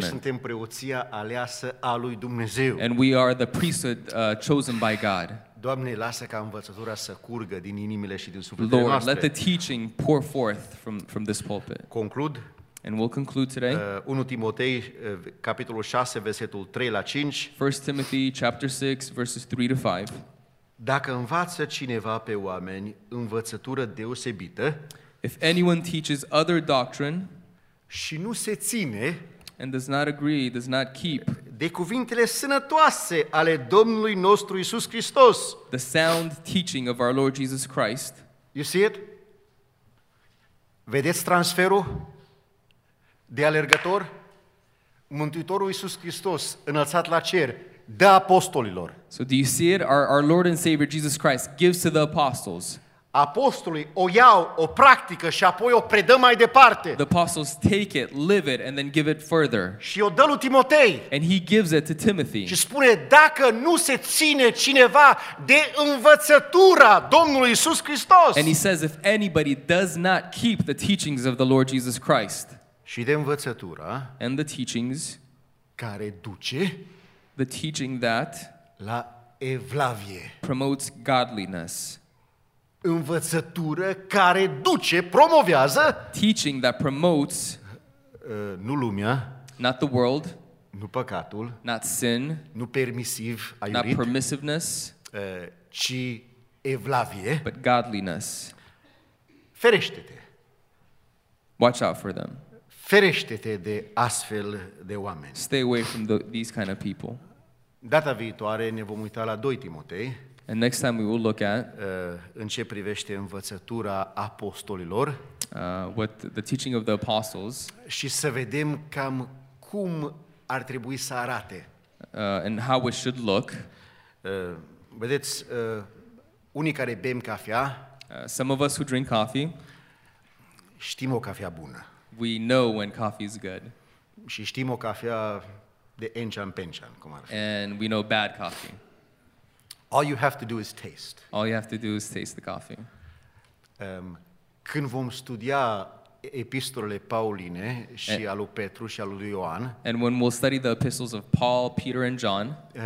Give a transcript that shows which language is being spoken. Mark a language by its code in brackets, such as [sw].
[ro] Noi suntem preoția aleasă a lui Dumnezeu. [en] And we are the priesthood chosen by God. [ro] Doamne, lasă ca învățătura să curgă din inimile și din sufletele [en] Lord, [ro] noastre. [en] Let the teaching pour forth from this pulpit. [ro] Conclud. [en] And we'll conclude today. [ro] 1 Timotei capitolul 6 versetul 3 la 5. [en] 1 Timothy chapter 6 verses 3 to 5. [ro] Dacă învață cineva pe oameni învățătură deosebită, [en] if anyone teaches other doctrine, [ro] și nu se ține, [en] and does not agree, does not keep, [ro] de cuvintele sănătoase ale Domnului nostru Iisus Hristos, [en] the sound teaching of our Lord Jesus Christ, you see it? [ro] Vedeți transferul de alergător? Mântuitorul Iisus Hristos înălțat la cer, dă apostolilor. [en] So do you see it? Our Lord and Savior Jesus Christ gives to the apostles. [ro] Apostolii o iau, o practică și apoi o predă mai departe. [en] The apostles take it, live it, and then give it further. [ro] Și o dă lui Timotei. [en] And he gives it to Timothy. [ro] Și spune, dacă nu se ține cineva de învățătura Domnului Iisus Hristos. [en] And he says, if anybody does not keep the teachings of the Lord Jesus Christ. [ro] Și de învățătura. [en] And the teachings. [ro] Care duce. [en] The teaching that [ro] la evlavie [en] promotes godliness. [ro] Învățătură care duce, promovează [en] teaching that promotes [ro] nu lumea, [en] not the world, [ro] nu păcatul, [en] not sin, [ro] nu permisiv, aiurit, [en] not permissiveness, [ro] ci evlavie, [en] but godliness. [ro] Ferește-te. [en] Watch out for them. [ro] Ferește-te de astfel de oameni. [en] Stay away from these kind of people. [ro] Data viitoare ne vom uita la 2 Timotei. [en] And next time we will look at [ro] în ce privește învățătura apostolilor. [en] What the teaching of the apostles. [ro] Și să vedem cam cum ar trebui să arate. [en] And how it should look. [ro] Vedeți, unii care bem cafea, [en] some of us who drink coffee, [ro] știm o cafea bună. [en] We know when coffee is good. [ro] Și știm o cafea de encian pencian, cum ar fi. [en] And we know bad coffee. All you have to do is taste. All you have to do is taste the coffee. [ro] Când vom studia epistolele pauline și and, al lui Petru și al lui Ioan, [en] and when we'll study the epistles of Paul, Peter and John,